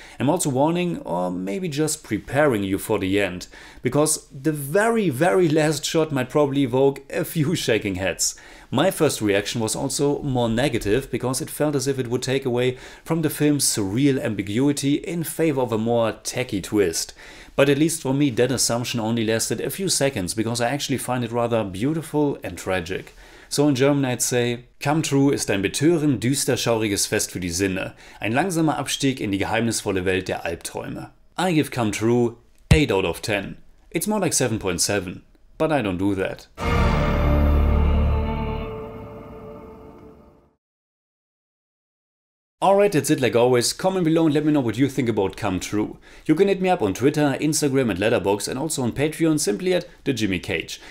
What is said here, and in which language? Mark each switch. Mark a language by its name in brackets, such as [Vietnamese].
[English] I'm also warning, or maybe just preparing you for the end, because the very, very last shot might probably evoke a few shaking heads. My first reaction was also more negative, because it felt as if it would take away from the film's surreal ambiguity in favor of a more tacky twist. But at least for me, that assumption only lasted a few seconds, because I actually find it rather beautiful and tragic. So in German I'd say, [German] come true ist ein betörend düster-schauriges Fest für die Sinne, ein langsamer Abstieg in die geheimnisvolle Welt der Albträume. [English] I give come true 8 out of 10. It's more like 7.7, but I don't do that. Alright, that's it like always. Comment below and let me know what you think about Come True. You can hit me up on Twitter, Instagram and Letterboxd and also on Patreon simply at The Jimmy Cage.